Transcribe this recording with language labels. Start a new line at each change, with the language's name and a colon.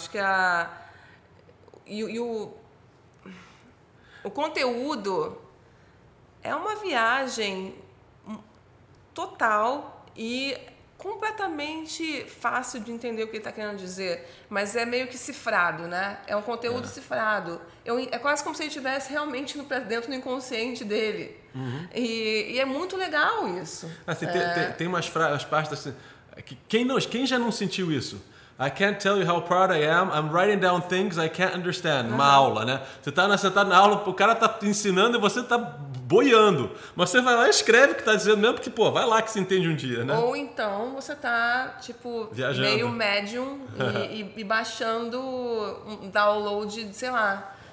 Portuguese: Eu acho que o conteúdo é uma viagem total e completamente fácil de entender o que ele está querendo dizer, mas é meio que cifrado, né? É um conteúdo cifrado. É quase como se ele estivesse realmente dentro do inconsciente dele. Uhum. E é muito legal isso. Assim, tem umas partes assim... Quem já não sentiu isso?
English: I can't tell you how proud I am. I'm writing down things I can't understand.
Portuguese: Uhum. Uma aula, né? Você tá na aula, o cara tá ensinando e você tá boiando. Mas você vai lá e escreve o que tá dizendo mesmo, porque, pô, vai lá que você entende um dia, né? Ou então você tá, tipo, viajando. Meio médium e baixando um download, sei lá.